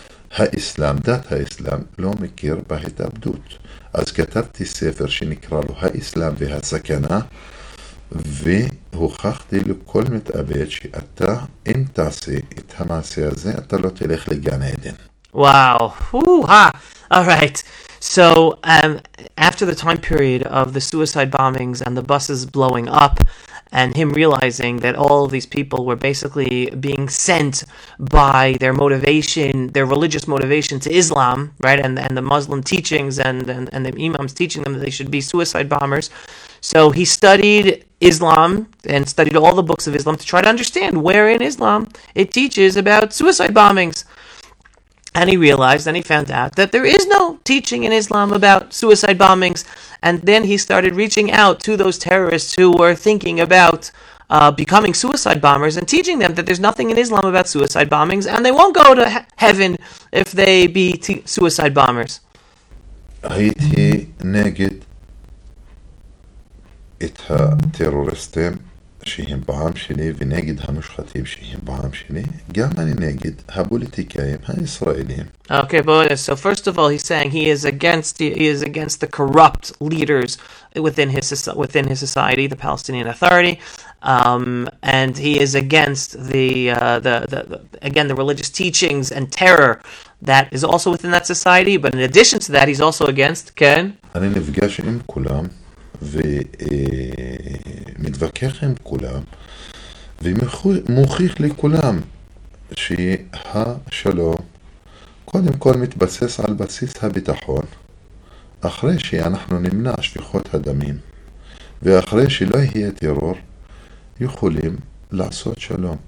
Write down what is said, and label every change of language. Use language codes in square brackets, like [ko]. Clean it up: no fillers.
[he] האסלאם, דת האסלאם, לא מכיר בהתאבדות. אז כתבתי ספר שנקרא לו האסלאם והסכנה, והוכחתי לכל מתאבד שאתה, אם תעשה את המעשה הזה, אתה לא תלך לגן עדן. [en] וואו, All right. So after the time period of the suicide bombings and the buses blowing up and him realizing that all of these people were basically being sent by their motivation, their religious motivation to Islam, right, and the Muslim teachings and the imams teaching them that they should be suicide bombers. So he studied Islam and studied all the books of Islam to try to understand where in Islam it teaches about suicide bombings. And he realized, and he found out, that there is no teaching in Islam about suicide bombings. And then he started reaching out to those terrorists who were thinking about becoming suicide bombers and teaching them that there's nothing in Islam about suicide bombings, and they won't go to heaven if they be suicide bombers. [he] הייתי נגד את הטרוריסטים שהם בעם שלי ונגד המושחתים שהם בעם שלי, גם אני נגד הפוליטיקאים הישראלים. [en] Okay, but so first of all, he's saying he is against the corrupt leaders within his society, the Palestinian Authority, and he is against the religious teachings and terror that is also within that society. But in addition to that, he's also against Ken. [he] אני נפגש עם כולם ומתווכח עם כולם ומוכיח לכולם שהשלום קודם כל מתבסס על בסיס הביטחון, אחרי שאנחנו נמנע שפיכות הדמים ואחרי שלא יהיה טרור יכולים לעשות שלום.